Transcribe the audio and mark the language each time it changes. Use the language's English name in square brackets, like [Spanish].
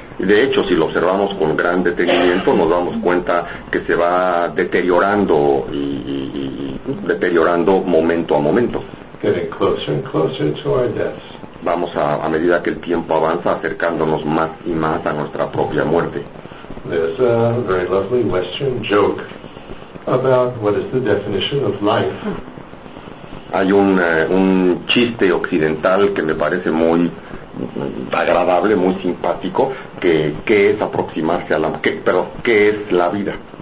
[Spanish] De hecho, si lo observamos con gran detenimiento, nos damos cuenta que se va deteriorando y deteriorando momento a momento. [English] Getting closer and closer to our deaths. [Spanish] Vamos a medida que el tiempo avanza, acercándonos más y más a nuestra propia muerte. [English] There's a very lovely Western joke about what is the definition of life. [Spanish] Hay un chiste occidental que me parece muy agradable, muy simpático, que es aproximarse a la que, pero ¿qué es la vida?